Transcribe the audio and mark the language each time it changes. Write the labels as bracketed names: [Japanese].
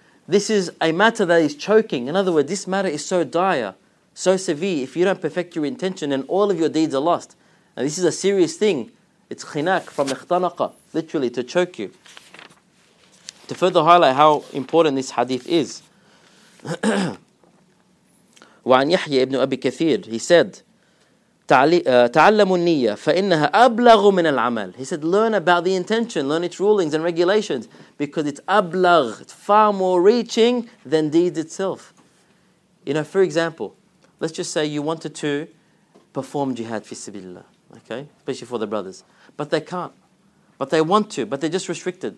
[English] This is a matter that is choking. In other words, this matter is so dire, so severe. If you don't perfect your intention, then all of your deeds are lost. And this is a serious thing. It's khinaq from ikhtanaqa, literally to choke you. To further highlight how important this hadith is. [Arabic] وعن يحيى ابن أبي كثير [English] he said [Arabic] تعلموا النية فإنها أبلغ من العمل. [English] He said, learn about the intention, learn its rulings and regulations, because it's أبلغ, it's far more reaching than deeds itself. You know, for example, let's just say you wanted to perform jihad في سبيل الله, okay, especially for the brothers, but they can't, but they want to, but they're just restricted.